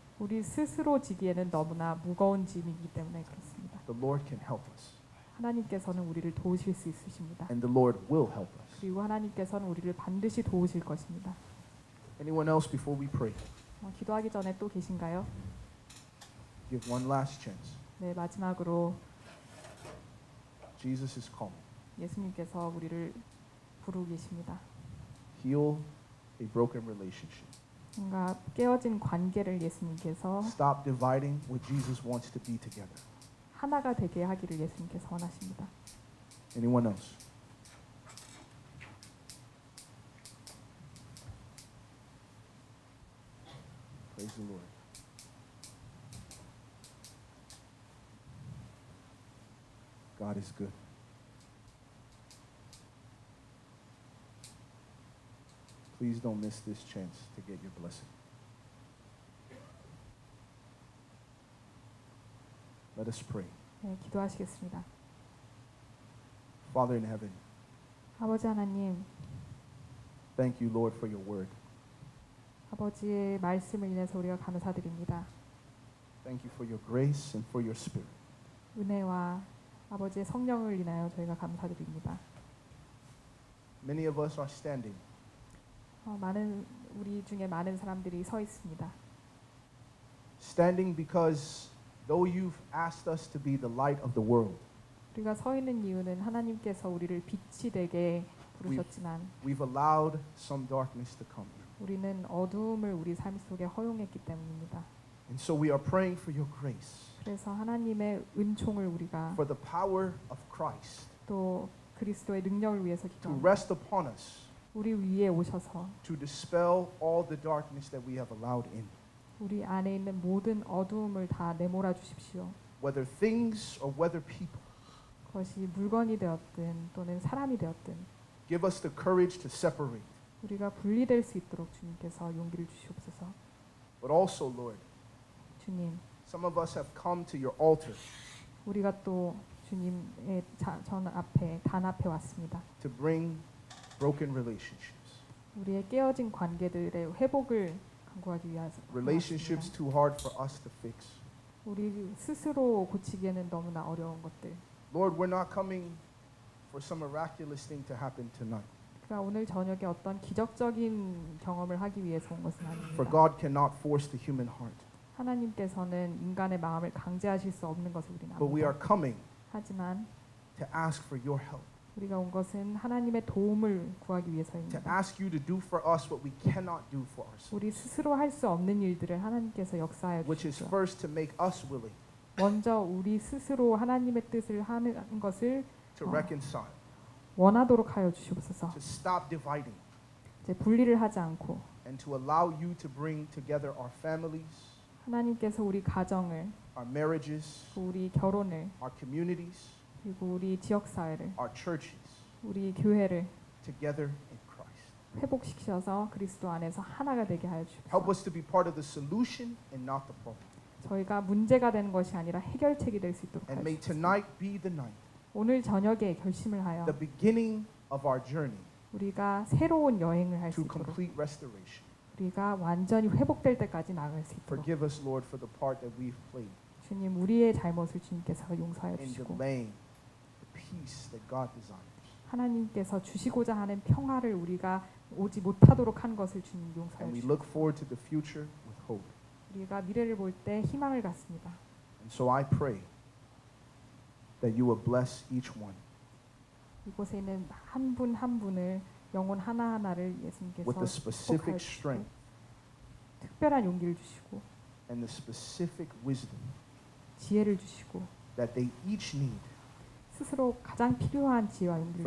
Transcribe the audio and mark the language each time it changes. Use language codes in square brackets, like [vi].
[ko] 우리 스스로 지기에는 너무나 무거운 짐이기 때문에 그렇습니다. [en] The Lord can help us. [ko] 하나님께서는 우리를 도우실 수 있으십니다. [en] And the Lord will help us. [ko] 그리고 하나님께서는 우리를 반드시 도우실 것입니다. [en] Anyone else before we pray? [ko] 기도하기 전에 또 계신가요? [en] Give one last chance. [ko] 네, 마지막으로 [en] Jesus is calling. [ko] 예수님께서 우리를 부르고 계십니다. [en] Heal a broken relationship. [ko] 뭔가 깨어진 관계를 예수님께서 [en] Stop dividing what Jesus wants to be together. [ko] 하나가 되게 하기를 예수님께서 원하십니다. [en] Anyone else? Praise the Lord. God is good. Please don't miss this chance to get your blessing. Let us pray. [ko] 네, 기도하시겠습니다. [en] Father in heaven. [ko] 아버지 하나님. [en] Thank you, Lord, for your word. [ko] 아버지의 말씀을 인해서 우리가 감사드립니다. [en] Thank you for your grace and for your spirit. [ko] 은혜와 아버지의 성령을 인하여 저희가 감사드립니다. [en] Many of us are standing. [ko] 많은 우리 중에 많은 사람들이 서 있습니다. [en] Standing because though you've asked us to be the light of the world. [ko] 우리가 서 있는 이유는 하나님께서 우리를 빛이 되게 부르셨지만 [en] we've allowed some darkness to come. [ko] 우리는 어둠을 우리 삶 속에 허용했기 때문입니다. [en] And so we are praying for your grace. [ko] 그래서 하나님의 은총을 우리가 [en] for the power of Christ. [ko] 또 그리스도의 능력을 위해서 기도합니다. [en] To rest upon us. [ko] 우리 위에 오셔서 [en] to dispel all the darkness that we have allowed in. [ko] 우리 안에 있는 모든 어두움을 다 내몰아 주십시오. [en] Whether things or whether people. [ko] 그것이 물건이 되었든 또는 사람이 되었든. [en] Give us the courage to separate. [ko] 우리가 분리될 수 있도록 주님께서 용기를 주시옵소서. [en] But also, Lord. [ko] 주님. [en] Some of us have come to your altar. [ko] 우리가 또 주님의 전 앞에 단 앞에 왔습니다. [en] To bring broken relationships. [ko] 우리의 깨어진 관계들의 회복을 구하기 위해서. [en] Relationships too hard for us to fix. [ko] 우리 스스로 고치기에는 너무나 어려운 것들. [en] Lord, we're not coming for some miraculous thing to happen tonight. [ko] 그러니까 오늘 저녁에 어떤 기적적인 경험을 하기 위해서 온 것은 아닙니다. [en] For God cannot force the human heart. [ko] 하나님께서는 인간의 마음을 강제하실 수 없는 것을 우리는 압니다. [en] But we are coming. [ko] 하지만 [en] to ask for your help. [ko] 우리가 온 것은 하나님의 도움을 구하기 위해서입니다. [en] To ask you to do for us what we cannot do for ourselves. [ko] 우리 스스로 할 수 없는 일들을 하나님께서 역사해 주시죠. [en] Which is first to make us willing. [ko] 먼저 우리 스스로 하나님의 뜻을 하는 것을 [en] to reconcile. [ko] 원하도록 하여 주시옵소서. [en] To stop dividing. [ko] 이제 분리를 하지 않고 [en] and to allow you to bring together our families. [ko] 하나님께서 우리 가정을 [en] our marriages. [ko] 우리 결혼을 [en] our communities. [ko] 그리고 우리 지역 사회를 [en] our churches, [ko] 우리 교회를 [en] together in Christ. [ko] 회복시키셔서 그리스도 안에서 하나가 되게 하여 주십시오. [en] Help us to be part of the solution and not the problem. [ko] 저희가 문제가 되는 것이 아니라 해결책이 될 수 있도록 [en] And may tonight be the night. [ko] 오늘 저녁에 결심을 하여 [en] the beginning of our journey. [ko] 우리가 새로운 여행을 할 수 있도록 [en] to complete restoration. [ko] 우리가 완전히 회복될 때까지 나갈 수 있도록 [en] Forgive us Lord for the part that we've played. [ko] 주님 우리의 잘못을 주님께서 용서해 주시고 [en] domain, the peace that God desires. [ko] 하나님께서 주시고자 하는 평화를 우리가 오지 못하도록 한 것을 주님 용서해 주시고 [en] And we look forward to the future with hope. [ko] 우리가 미래를 볼 때 희망을 갖습니다. [en] And so I pray that you will bless each one. [ko] 이곳에 있는 한 분 한 분을 영혼 하나 하나를 예수님께서 [en] with the specific strength, [ko] 특별한 용기를 주시고 [en] and the specific wisdom, [ko] 지혜를 주시고 [en] that they each need, [ko] 스스로 가장 필요한 지혜와 용기를